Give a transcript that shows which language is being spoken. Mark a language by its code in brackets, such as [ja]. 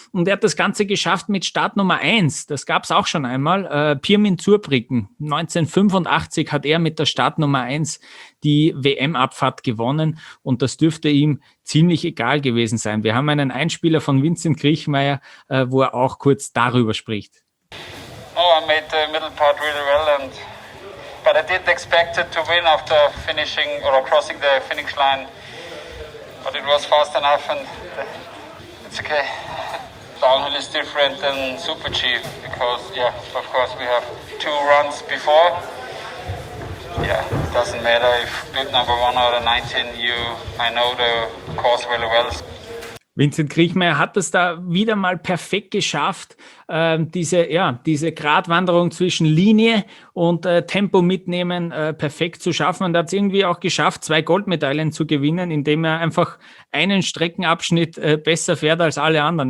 [de] Und er hat das Ganze geschafft mit Startnummer 1. Das gab es auch schon einmal. Pirmin Zurbriggen. 1985 hat er mit der Startnummer 1 die WM-Abfahrt gewonnen. Und das dürfte ihm ziemlich egal gewesen sein. Wir haben einen Einspieler von Vincent Griechmeier, wo er auch kurz darüber spricht. [en] Oh, I made the middle part really well and but I did expect it to win after finishing or crossing the finish line. But it was fast enough and it's okay. Downhill is different than Super G because, of course, we have two runs before. Yeah, it doesn't matter if bit number one or 19, I know the course really well. [de] Vincent Griechmeier hat es da wieder mal perfekt geschafft, diese Gratwanderung zwischen Linie und Tempo mitnehmen perfekt zu schaffen. Und er hat es irgendwie auch geschafft, zwei Goldmedaillen zu gewinnen, indem er einfach einen Streckenabschnitt besser fährt als alle anderen.